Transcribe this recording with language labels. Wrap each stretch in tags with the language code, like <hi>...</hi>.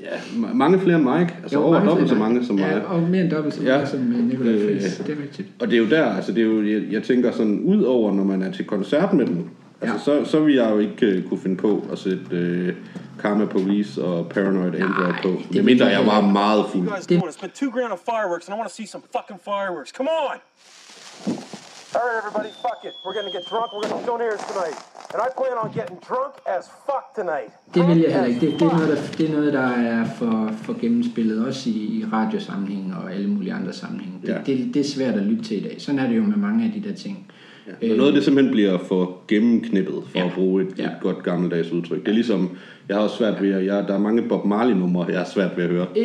<da>Ja, mange flere end Mike. Altså jo, over dobbelt så mange som mig. Ja, og mere end dobbelt så mange som Nicolai Friis. Det er rigtigt. Og det er jo der, altså det er jo, jeg tænker sådan, ud over når man er til koncert med dem, altså så vil jeg jo ikke kunne finde på at sætte Karma Police og Paranoid Android på. Jeg mener, jeg var meget fuld.</da> <en>You guys want to spend $2,000 on fireworks, and I want to see some fucking fireworks. Come on! All right, everybody, fuck it. We're gonna get drunk. We're gonna stone airs tonight. And I plan on getting drunk as fuck tonight.</en> <da>Det vil jeg heller ikke. Det er noget der er for gennemspillet også i radiosammenhæng og alle mulige andre sammenhæng. Det er svært at lytte til i dag. Sådan er det jo med mange af de der ting. Ja. Noget af det simpelthen bliver for gennemknippet, for at bruge et godt gammeldags udtryk. Det er ligesom, jeg har også svært ved at høre, der er mange Bob Marley-numre, jeg har svært ved at høre.</da>